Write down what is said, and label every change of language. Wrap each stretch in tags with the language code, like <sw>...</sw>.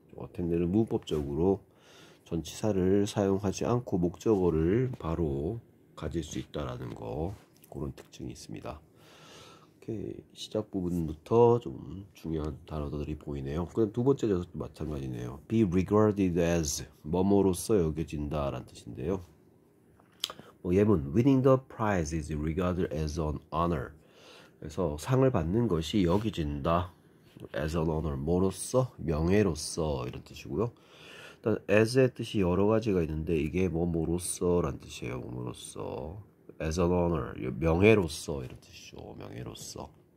<ko>attend는 문법적으로 전치사를 사용하지 않고 목적어를 바로 가질 수 있다라는 거, 그런 특징이 있습니다. 이렇게 시작 부분부터 좀 중요한 단어들이 보이네요. 그다음 두 번째 녀석도 마찬가지네요. be regarded as 뭐뭐로서 여겨진다라는 뜻인데요. 뭐 예문,</ko> <en>winning the prize is regarded as an honor.</en> <ko>그래서 상을 받는 것이 여겨진다.</ko> <en>as an honor,</en> <ko>뭐로써? 명예로써. 이런 뜻이고요. 일단 as의 뜻이 여러 가지가 있는데 이게 뭐뭐로써란 뜻이에요. 뭐로써.</ko> <en>as an honor,</en> <ko>명예로써. 이런 뜻이죠. 명예로써.</ko>